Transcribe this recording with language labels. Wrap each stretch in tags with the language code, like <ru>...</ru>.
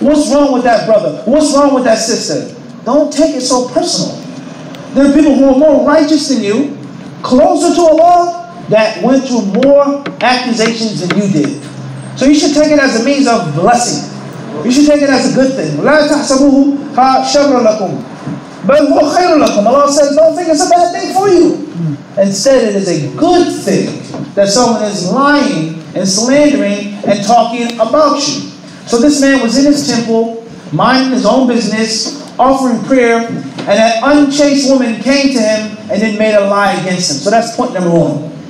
<en>What's wrong with that brother? What's wrong with that sister? Don't take it so personal. There are people who are more righteous than you, closer to Allah, that went through more accusations than you did. So you should take it as a means of blessing. You should take it as a good thing.</en> <ar>لا تحسبوه شر لكم بل هو خير لكم.</ar> <en>Allah says, don't think it's a bad thing for you. Instead, it is a good thing that someone is lying and slandering and talking about you. So this man was in his temple, minding his own business, offering prayer, and that unchaste woman came to him and then made a lie against him. So that's point number one.</en>